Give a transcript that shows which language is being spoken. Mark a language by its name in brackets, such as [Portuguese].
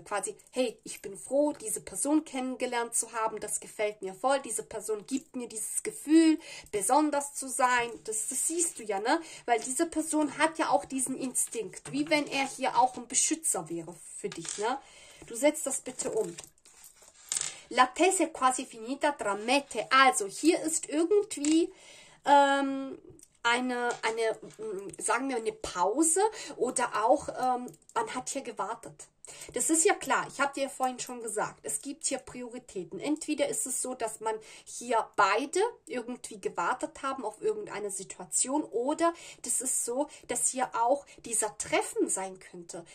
[German] Quasi, hey, ich bin froh, diese Person kennengelernt zu haben. Das gefällt mir voll. Diese Person gibt mir dieses Gefühl, besonders zu sein. Das siehst du ja, ne? Weil diese Person hat ja auch diesen Instinkt, wie wenn er hier auch ein Beschützer wäre für dich, ne? Du setzt das bitte um. [Italian] L'attesa è quasi finita, tramite. [German] Also, hier ist irgendwie sagen wir, eine Pause oder auch man hat hier gewartet. Das ist ja klar, ich habe dir ja vorhin schon gesagt, es gibt hier Prioritäten. Entweder ist es so, dass man hier beide irgendwie gewartet haben auf irgendeine Situation oder das ist so, dass hier auch dieser Treffen sein könnte.